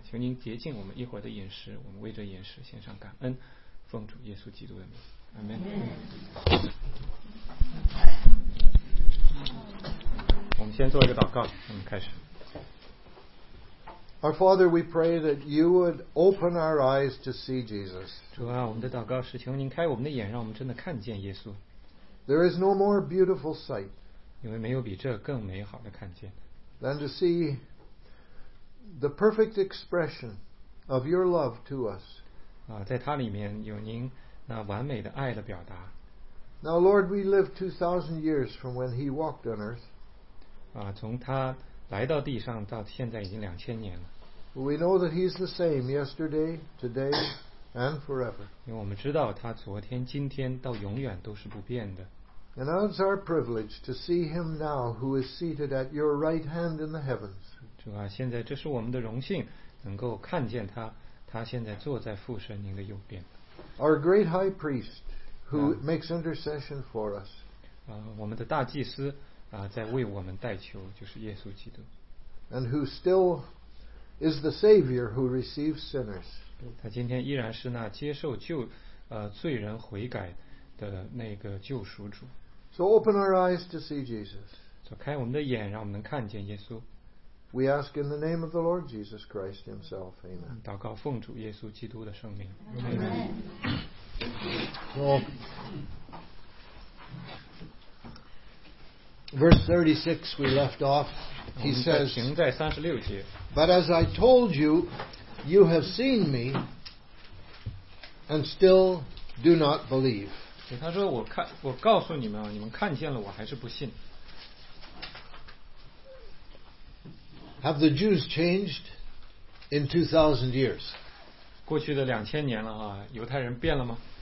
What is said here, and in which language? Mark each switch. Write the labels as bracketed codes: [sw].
[zh] 求您洁净我们一会儿的饮食，我们为这饮食献上感恩，奉主耶稣基督的名，阿门。我们先做一个祷告，我们开始。 [en] Our Father, we pray that you would open our eyes to see Jesus. [zh] 主啊，我们的祷告是求您开我们的眼，让我们真的看见耶稣。 [en] There is no more beautiful sight. [zh] 因为没有比这更美好的看见。 [en] Than to see the perfect expression of your love to us. [zh] 在它里面有您那完美的爱的表达。 [en] Now, Lord, we live 2,000 years from when He walked on earth. [zh] 从他来到地上到现在已经2000年了。 [en] We know that He's the same yesterday, today. And forever. [zh] 因为我们知道他昨天、今天到永远都是不变的。 [en] And now it's our privilege to see Him now, who is seated at Your right hand in the heavens. [zh] 主啊，现在这是我们的荣幸，能够看见他，他现在坐在父神您的右边。 [en] Our great high priest, who makes intercession for us. [zh] 我们的大祭司在为我们代求，就是耶稣基督。 [en] And who still is the Savior who receives sinners. [zh] 他今天依然是那接受救罪人悔改的那个救赎主。 [en] So open our eyes to see Jesus. [zh] 打开我们的眼，让我们能看见耶稣。 [en] We ask in the name of the Lord Jesus Christ Himself. Amen. [zh] 祷告奉主耶稣基督的圣名。 [en] Amen. So, verse 36 we left off. He says, [zh] 停在三十六节。 [en] But as I told you, you have seen me, and still do not believe. [zh] 他说我告诉你们，你们看见了，我还是不信。 [en] Have the Jews changed in 2,000 years? [zh] 过去的两千年了啊，犹太人变了吗？